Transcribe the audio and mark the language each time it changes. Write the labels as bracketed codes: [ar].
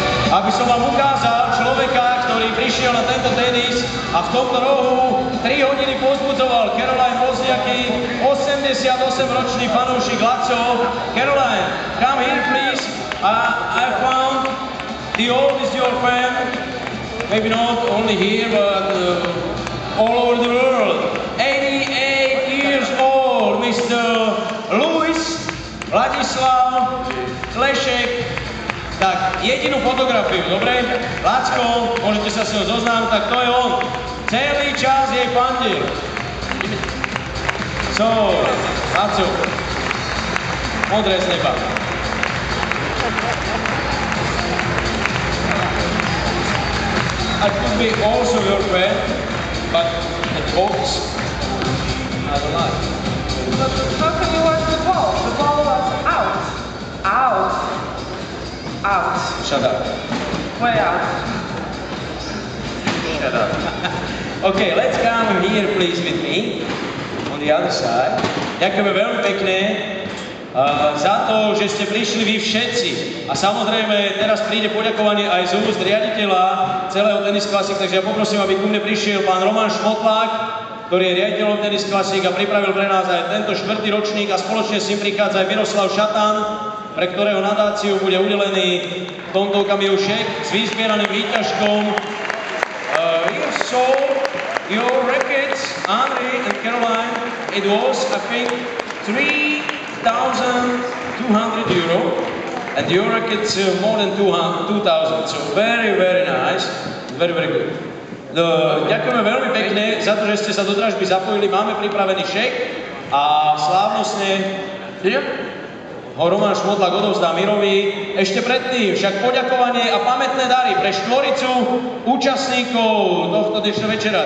[sk] Aby som vám ukázal človeka, ktorý prišiel na tento tenis a v tomto rohu 3 hodiny pozbudzoval Caroline Wozniacky, 88-ročný fanúšik Lacov. [en] Caroline, come here please. I found the oldest your fan, maybe not only here, but all over the world. 88 years old, Mr. Louis Vladislav Klešek. [sk] Tak, jedinú fotografiu, dobre? Lacko, môžete sa s ňou zoznámiť, tak to je on. Celý čas jej fandil. So, Lacko, modré z neba. [en] I could be also your friend, but the box, I don't like. But how can you watch the ball? The ball was out. Out? Out. Shut up. Way out. Shut up. Okay, let's come here please with me. On the other side. [sk] Ďakujeme veľmi pekne za to, že ste prišli vy všetci. A samozrejme, teraz príde poďakovanie aj z úst riaditeľa celého Tennis Classic, takže ja poprosím, aby ku mne prišiel pán Roman Šmotlák, ktorý je riaditeľom Tennis Classic a pripravil pre nás aj tento štvrtý ročník a spoločne s ním prichádza aj Miroslav Šatan, pre ktorého nadáciu bude udelený v tomto okamihu šek s vyzbieraným výťažkom. [en] Here's so your records, Andre and Caroline. It was, I think, 3,200 euro. And your records more than 2,000. So very, very nice. Very, very good. [sk] Ďakujeme veľmi pekne za to, že ste sa do dražby zapojili. Máme pripravený šek a slávnostne... [en] Yep. [sk] Ho Roman Šmodlak odovzdá Mirovi. Ešte predtým však poďakovanie a pamätné dary pre štvoricu účastníkov tohto dnešného večera.